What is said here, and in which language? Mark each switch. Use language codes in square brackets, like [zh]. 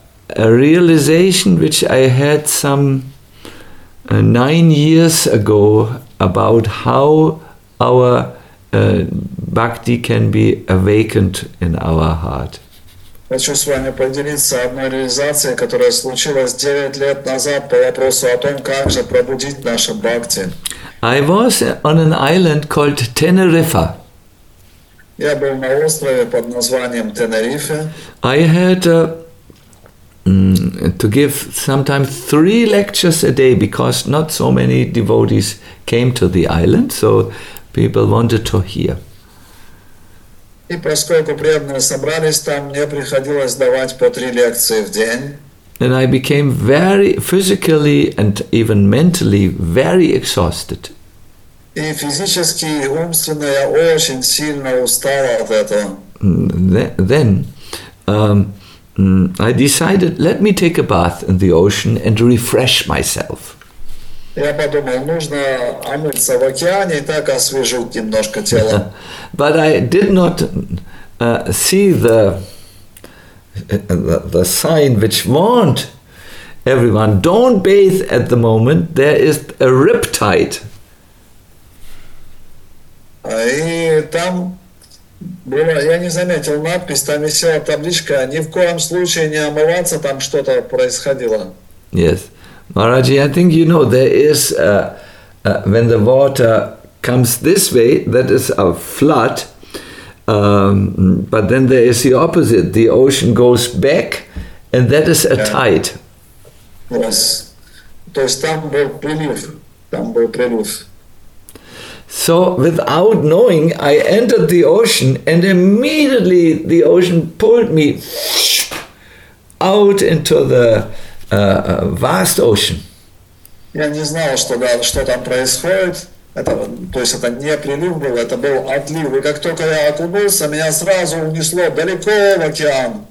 [en] a realization which I had some 9 years ago about how our bhakti can be awakened in our heart. [ru] Хочу с вами поделиться одной реализацией, которая случилась 9 лет назад по вопросу о том, как же пробудить наше бхакти. [en] I was on an island called Tenerife. [ru] Я был на острове под названием Тенерифе. [en] I had to give sometimes 3 lectures a day because not so many devotees came to the island, so people wanted to hear. [ru] И поскольку преданные собрались там, мне приходилось давать по 3 лекции в день. [en] And I became very physically and even mentally very exhausted. [ru] И физически, и умственно я очень сильно устал от этого. [en] Then I decided, let me take a bath in the ocean and refresh myself. [ru] Я подумал, нужно омыться в океане и так освежить немножко тело. [en] But I did not see the sign which warned everyone, don't bathe at the moment, there is a riptide. [ru] И там было, я не заметил надпись, там висела табличка, ни в коем случае не омываться, там что-то происходило. [en] Yes. Maharaji, I think you know there is when the water comes this way, that is a flood. But then there is the opposite; the ocean goes back, and that is a tide. [ru] Yes, то есть там был прилив, там был прилив. [en] So without knowing, I entered the ocean, and immediately the ocean pulled me out into the vast ocean. [ru] Я не знал, что там происходит. То есть это не прилив был, это был отлив. И как только я окунулся, меня сразу унесло далеко в океан.